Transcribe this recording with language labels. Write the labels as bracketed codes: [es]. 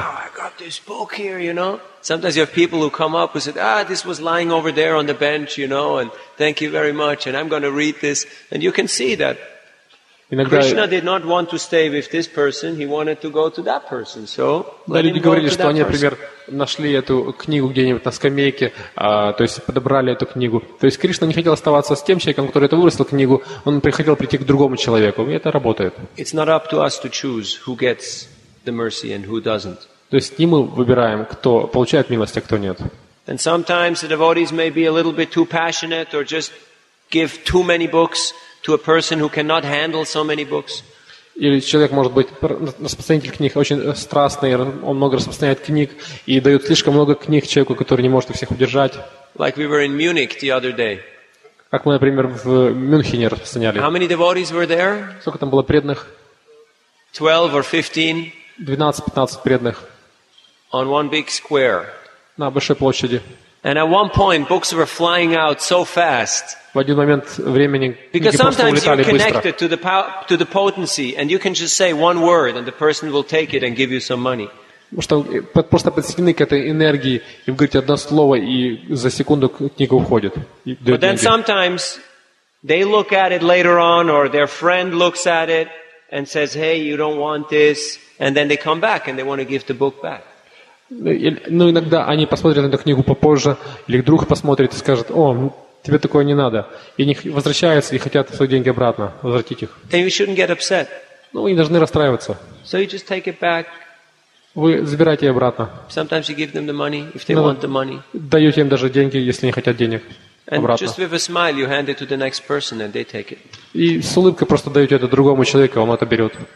[en] Wow, I got this book here, you know. Sometimes you have people who come up and said, "Ah, this was lying over there on the bench, you know, and thank you very much, and I'm going to read this." And you can see that [ru] иногда [en] Krishna did not want to stay with this person; he wanted to go to that person. So, [ru] да, люди говорили, что они, [en] person. [ru] Например, нашли эту книгу где-нибудь на скамейке, то есть подобрали эту книгу. То есть Кришна не хотел оставаться с тем человеком, который это выросил книгу. Он приходил прийти к другому человеку, и это работает. [en] It's not up to us to choose who gets the mercy and who doesn't. [ru] То есть не мы выбираем, кто получает милость, а кто нет. [en] And sometimes the devotees may be a little bit too passionate or just give too many books to a person who cannot handle so many books. [ru] Или человек может быть распространитель книг, очень страстный, он много распространяет книг и дает слишком много книг человеку, который не может их всех удержать. [en] Like we were in Munich the other day. [ru] Как мы, например, в Мюнхене распространяли. [en] How many devotees were there? [ru] Сколько там было преданных? [en] 12 or 15. [ru] 12-15 преданных. [en] On one big square. [ru] На большой площади. [en] And at one point books were flying out so fast. [ru] В один момент времени [en] because sometimes you're connected to the potency and you can just say one word and the person will take it and give you some money. [ru] Просто подсоединены к этой энергии и вы говорите одно слово и за секунду книга уходит. [en] But then sometimes they look at it later on or their friend looks at it and says, "Hey, you don't want this," and then they come back and they want to give the book back. [ru] Ну, иногда они посмотрят на эту книгу попозже, или друг посмотрит и скажет, о, тебе такое не надо. И они возвращаются и хотят свои деньги обратно, возвратить их. [en] Then you shouldn't get upset. [ru] Ну, вы не должны расстраиваться. [en] So you just take it back. [ru] Вы забираете ее обратно. [en] Sometimes you give them the money, if they want the money. [ru] Даете им даже деньги, если они хотят денег. [en] And [ru] обратно. [en] Just with a smile you hand it to the next person and they take it. [ru] И с улыбкой просто даете это другому человеку, он это берет.